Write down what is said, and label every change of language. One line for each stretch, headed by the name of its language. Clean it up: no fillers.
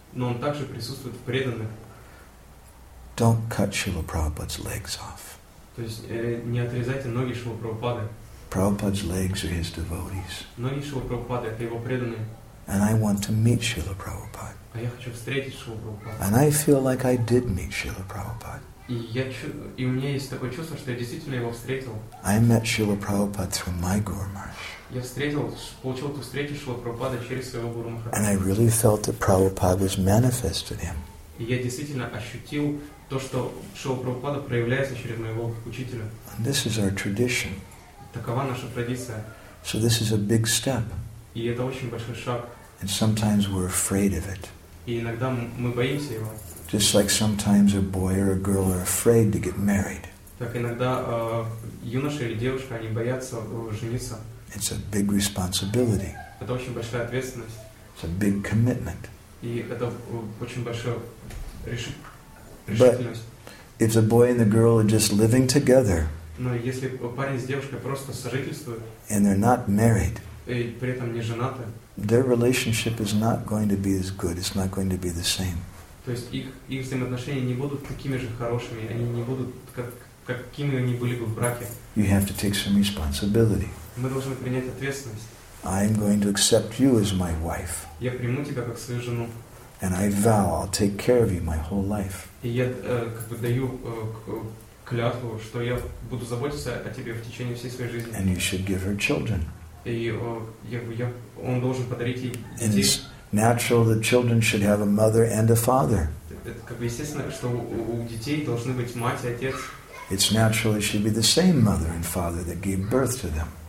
Russian: Но он также присутствует в преданных.
English: Don't cut Srila Prabhupada's legs off.
Russian: То есть не отрезайте ноги Шрилы Прабхупады.
English: Prabhupada's legs are his devotees.
Russian: Ноги Шрилы Прабхупады — это его преданные.
English: And I want to meet Srila Prabhupada.
Russian: А я хочу встретить Шрилу Прабхупаду.
English: And I feel like I did meet Srila Prabhupada.
Russian: И у меня есть такое чувство, что я действительно его встретил.
English: I met Srila Prabhupada through my Guru Maharaj.
Russian: Я получил эту встречу Шрилы Прабхупады через своего Гуру Махараджа.
English: And I really felt that Prabhupada was manifest in him.
Russian: И я действительно ощутил то, что Шрила Прабхупада проявляется через моего учителя.
English: And this is our tradition.
Russian: Такова наша традиция.
English: So this is a big step.
Russian: И это очень большой шаг.
English: And sometimes we're afraid of it.
Russian: И иногда мы боимся его.
English: Just like sometimes a boy or a girl are afraid to get married.
Russian: Так иногда юноша или девушка, они боятся жениться.
English: It's a big responsibility.
Russian: Это очень большая ответственность.
English: It's a big commitment.
Russian: И это очень большая решительность.
English: But if the boy and the girl are just living together,
Russian: но если парень с девушкой просто сожительствуют,
English: and they're not married,
Russian: и при этом не женаты,
English: their relationship is not going to be as good. It's not going to be the same.
Russian: То есть их взаимоотношения не будут такими же хорошими, они не будут какими они были бы в браке.
English: You have to take some responsibility.
Russian: Мы должны принять ответственность.
English: I'm going to accept you as my wife.
Russian: Я приму тебя как свою жену.
English: And I vow I'll take care of you my whole life.
Russian: И я даю клятву, что я буду заботиться о тебе в течение всей своей жизни.
English: And you should give her children.
Russian: И он должен подарить ей детей.
English: Natural that children should have a mother and a father. It's natural it should be the same mother and father that gave birth to them.